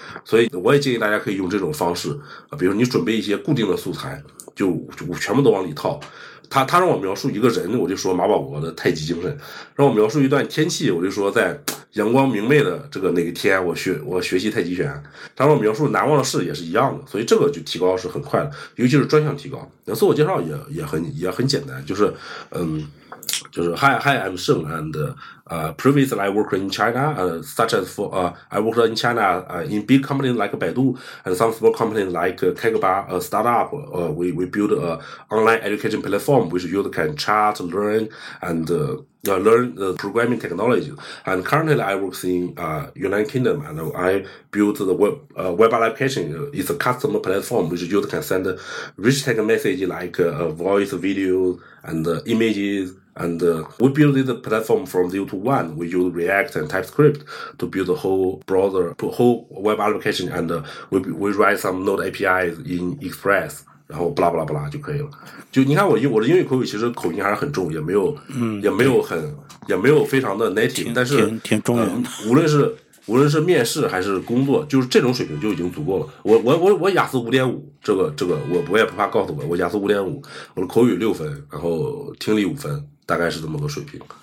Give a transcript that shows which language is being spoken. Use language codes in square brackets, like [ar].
[zh] 所以我也建议大家可以用这种方式，比如你准备一些固定的素材，就全部都往里套。他让我描述一个人，我就说马保国的太极精神，让我描述一段天气，我就说在阳光明媚的这个哪个天我学习太极拳，他让我描述难忘的事也是一样的，所以这个就提高是很快的，尤其是专项提高。那自我介绍也很简单，就是就是 [en] Hi, I'm Sheng and previously I worked in China, such as for, I worked in China, in big companies like Baidu and some small companies like Kagaba, a startup, we build a online education platform which you can chat, learn, and, learn the programming technology. And currently I work in, United Kingdom and I build the web application. It's a customer platform which you can send rich text message like voice, video, and images. And we built the platform from 0 to 1. We use React and TypeScript to build the whole web application. And we write some Node APIs in Express. [zh] 然后 blah blah blah 就可以了。就你看我的英语口语其实口音还是很重，也没有非常的 native， 但是挺中文的。无论是面试还是工作，就是这种水平就已经足够了。我雅思 5.5， 这个我也不怕告诉我雅思 5.5， 我的口语6分，然后听力5分。大概是这么个水平，